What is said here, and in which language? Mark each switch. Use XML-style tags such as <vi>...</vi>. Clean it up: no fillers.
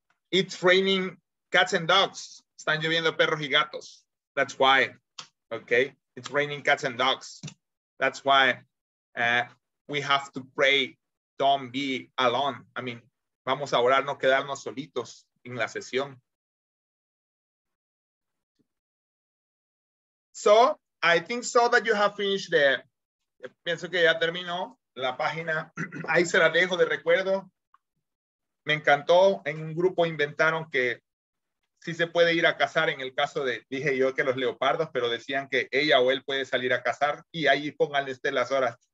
<en>It's raining cats and dogs.</en> <es>Están lloviendo perros y gatos.</es> <en>That's why. Okay. It's raining cats and dogs. That's why we have to pray. Don't be alone. I mean,</en> <es>vamos a orar, no quedarnos solitos en la sesión.</es> <en>So, I think so that you have finished the.</en> <es>Pienso que ya terminó. La página, ahí se la dejo de recuerdo. Me encantó. En un grupo inventaron que sí se puede ir a cazar en el caso de, dije yo que los leopardos, pero decían que ella o él puede salir a cazar y ahí pónganle usted las horas.</es>